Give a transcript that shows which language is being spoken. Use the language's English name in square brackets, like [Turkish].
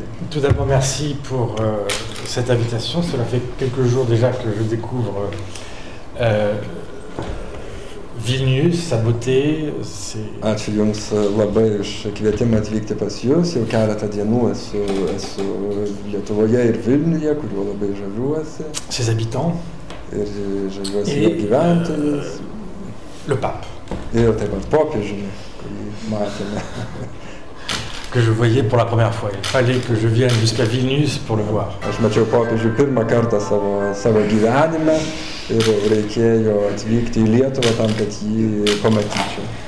[French] Tout d'abord, merci pour cette invitation. Cela fait quelques jours déjà que je découvre Vilnius, sa beauté, c'est... [Lithuanian] Ačiū jums labai už kvietimą atvykti pas jūs. Jau keletą dienų esu Lietuvoje ir Vilniuje, kuriuo labai žaviuosi. [French] Ses habitants. [Lithuanian] Ir žaviuosi jo gyventojus. [French] Le pape. [Lithuanian] Ir taip pat popiežiumi, kurį matėme. [French] Que je voyais pour la première fois. Il fallait que je vienne jusqu'à Vilnius pour le voir. [Lithuanian] Aš mačiau popiežių pirmą kartą savo gyvenime. Ir reikėjo atvykti į Lietuvą tam, kad jį pamatyčiau.